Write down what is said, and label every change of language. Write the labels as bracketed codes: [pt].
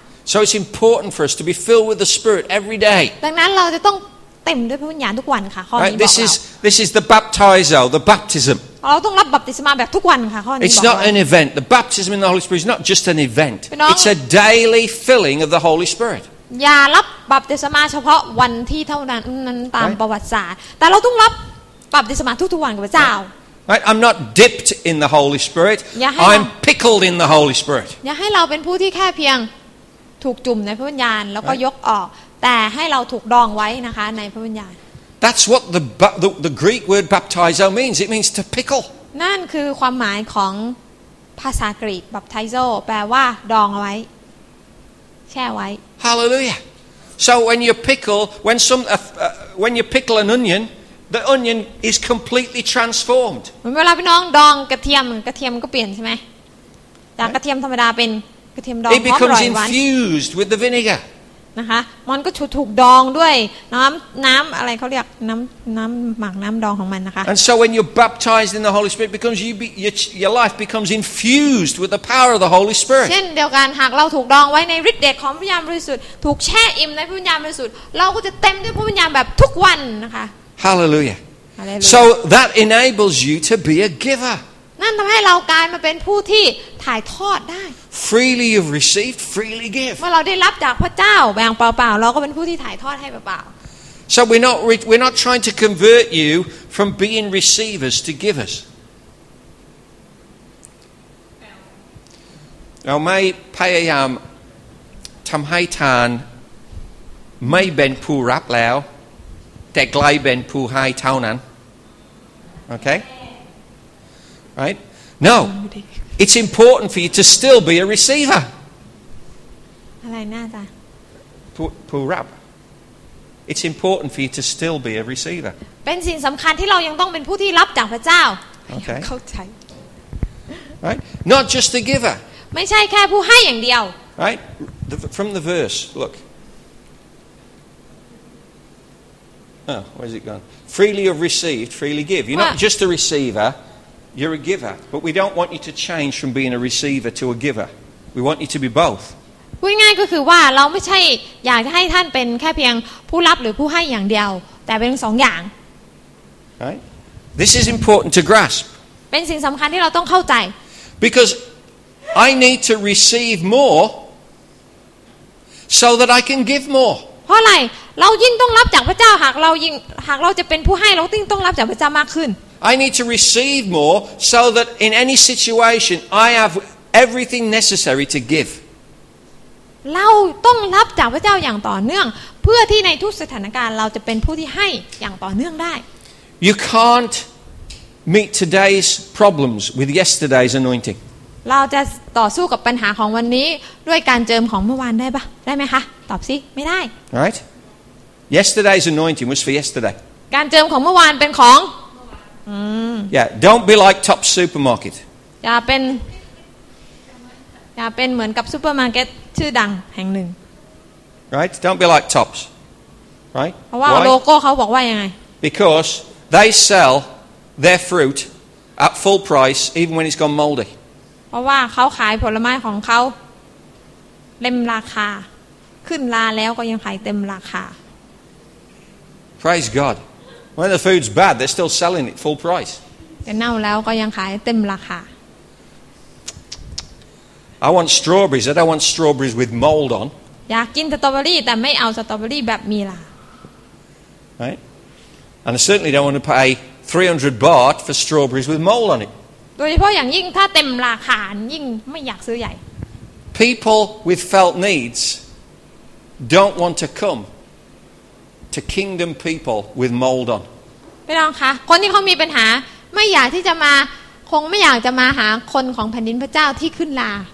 [en] So it's important for us to be filled with the Spirit every day. [th] ดังนั้นเราจะต้องเต็มด้วยพระวิญญาณทุกวันค่ะข้อนี้บอกเรา [en] This is the baptizo, the baptism. [th] เราต้องรับบัพติศมาแบบทุกวันค่ะข้อนี้บอกเรา [en] It's not an event. The baptism in the Holy Spirit is not just an event. It's a daily filling of the Holy Spirit. [th] อย่ารับบัพติศมาเฉพาะวันที่เท่านั้นตามประวัติศาสตร์แต่เราต้องรับบัพติศมาทุกๆวันกับพระเจ้า [en] Right? I'm not dipped in the Holy Spirit. I'm pickled in the Holy Spirit. [th] อย่าให้เราเป็นผู้ที่แค่เพียงถูกจุ่มในพระวิญญาณแล้วก็ยกออกแต่ให้เราถูกดองไว้นะคะในพระวิญญาณ [en] That's what the Greek word baptizo means. It means to pickle. [th] นั่นคือความหมายของภาษากรีก baptizo แปลว่าดองไว้แช่ไว้ [en] Hallelujah. So when you pickle, when you pickle an onion, the onion is completely transformed. [th] เวลาพี่น้องดองกระเทียมกระเทียมก็เปลี่ยนใช่ไหมจากกระเทียมธรรมดาเป็นกระเทียมดอง เพราะอร่อยหวาน [en] It becomes infused with the vinegar. [th] นะคะมันก็ถูกดองด้วยน้ำอะไรเขาเรียกน้ำหมักน้ำดองของมันนะคะ [en] And so when you're baptized in the Holy Spirit becomes your life becomes infused with the power of the Holy Spirit [th] เช่นเดียวกันหากเราถูกดองไว้ในฤทธิ์เดชของพระวิญญาณบริสุทธิ์ถูกแช่อิ่มในพระวิญญาณบริสุทธิ์เราก็จะเต็มด้วยพระวิญญาณแบบทุกวันนะคะ [en] Hallelujah So that enables you to be a giver [th] นั่นทำให้เรากลายมาเป็นผู้ที่ถ่ายทอดได้ [en] Freely you've received, freely give. [th] เมื่อเราได้รับจากพระเจ้าแบ่งเปล่าๆเราก็เป็นผู้ที่ถ่ายทอดให้เปล่า [en] ๆ So we're not trying to convert you from being receivers to givers. [th] เราไม่พยายามทำให้ทานไม่เป็นผู้รับแล้วแต่กลายเป็นผู้ให้เท่านั้น Okay? [en] Right? No. It's important for you to still be a receiver. [th] อะไรนะจ๊ะ ผู้รับ [en] It's important for you to still be a receiver. [th] เป็นสิ่งสำคัญที่เรายังต้องเป็นผู้ที่รับจากพระเจ้า [en] Okay. [th] เข้าใจ [en] Right? Not just the giver. [th] ไม่ใช่แค่ผู้ให้อย่างเดียว [en] Right? From the verse, look. Oh, where's it gone? Freely you've received, freely give. You're not just a receiver. You're a giver, but we don't want you to change from being a receiver to a giver. We want you to be both. [th] พูดง่ายก็คือว่าเราไม่ใช่อยากให้ท่านเป็นแค่เพียงผู้รับหรือผู้ให้อย่างเดียวแต่เป็นสองอย่าง [en] Right? This is important to grasp. [th] เป็นสิ่งสำคัญที่เราต้องเข้าใจ [en] Because I need to receive more so that I can give more. [th] เพราะอะไรเรายิ่งต้องรับจากพระเจ้าหากเราจะเป็นผู้ให้เราต้องรับจากพระเจ้ามากขึ้น [en] I need to receive more so that in any situation I have everything necessary to give. [th] เราต้องรับจากพระเจ้าอย่างต่อเนื่องเพื่อที่ในทุกสถานการณ์เราจะเป็นผู้ที่ให้อย่างต่อเนื่องได้ [en] You can't meet today's problems with yesterday's anointing. [th] เราจะต่อสู้กับปัญหาของวันนี้ด้วยการเจิมของเมื่อวานได้ปะได้ไหมคะตอบสิไม่ได้ [en] Right? Yesterday's anointing was for yesterday. [th] การเจิมของเมื่อวานเป็นของ [en] Yeah, don't be like top supermarket. [th] อย่าเป็นเหมือนกับซูเปอร์มาร์เก็ตชื่อดังแห่งหนึ่ง [en] Right? Don't be like Tops. Right? [th] เพราะว่าโลโก้เขาบอกว่ายังไง [en] Because they sell their fruit at full price even when it's gone moldy. [th] เพราะว่าเขาขายผลไม้ของเขาเต็มราคาขึ้นราแล้วก็ยังขายเต็มราคา [en] Praise God. When the food's bad, they're still selling it full price. [th] แต่เน่าแล้วก็ยังขายเต็มราคา [en] I want strawberries. I don't want strawberries with mold on. [th] อยากกินสตรอเบอรี่แต่ไม่เอาสตรอเบอรี่แบบมีรา [en] Right? And I certainly don't want to pay 300 baht for strawberries with mold on it. [th] โดยเฉพาะอย่างยิ่งถ้าเต็มราคายิ่งไม่อยากซื้อใหญ่ [en] People with felt needs don't want to come to kingdom people with mold on. [th] ไม่ต้องค่ะคนที่เขามีปัญหาไม่อยากที่จะมาคงไม่อยากจะมาหาคนของแผ่นดินพระเจ้าที่ขึ้นรา